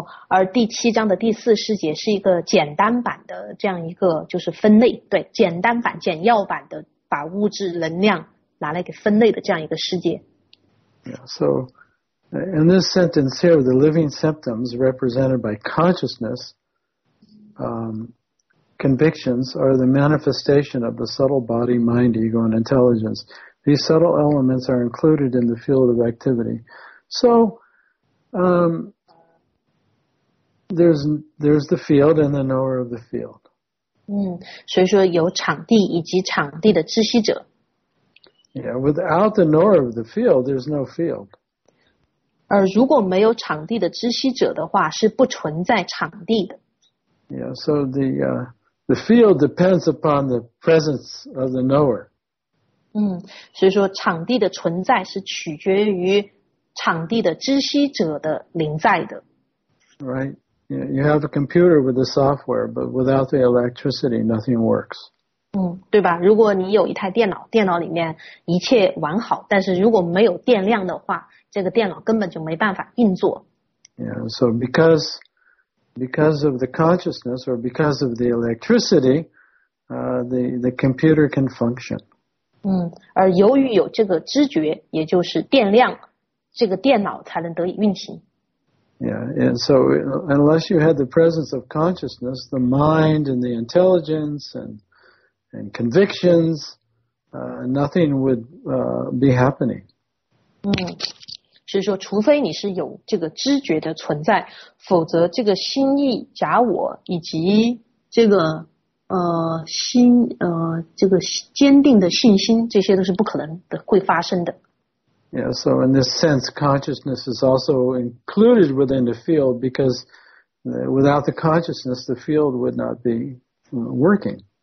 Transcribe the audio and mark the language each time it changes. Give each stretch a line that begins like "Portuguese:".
Chinese: 而第七章的第四十节是一个简单版的这样一个就是分类，对，简单版、简要版的把物质能量拿来给分类的这样一个世界。
English: Yeah, so in this sentence here, the living symptoms represented by consciousness, convictions are the manifestation of the subtle body, mind, ego, and intelligence. These subtle elements are included in the field of activity. So, there's the field and the knower of the field.
Chinese: 所以说有场地以及场地的知悉者。
English: Yeah, without the knower of the field, there's no field.
Chinese: 而如果没有场地的知悉者的话，是不存在场地的。
English: Yeah, so the field depends upon the presence of the knower.
Chinese: 所以说场地的存在是取决于场地的知悉者的临在的。
English: Right. You have a computer with the software, but without the electricity, nothing works.
Chinese: 对吧？如果你有一台电脑，电脑里面一切完好，但是如果没有电量的话，这个电脑根本就没办法运作。
English: Yeah, so because of the consciousness or because of the electricity, the computer can function.
Chinese: 而由于有这个知觉，也就是电量，这个电脑才能得以运行。
English: Yeah, and so unless you had the presence of consciousness, the mind and the intelligence and convictions, nothing would be happening.
Chinese: 所以说除非你是有这个知觉的存在，否则这个心意假我以及这个心这个坚定的信心，这些都是不可能的会发生的。
English: Yeah, so in this sense, consciousness is also included within the field because without the consciousness, the field would not be working.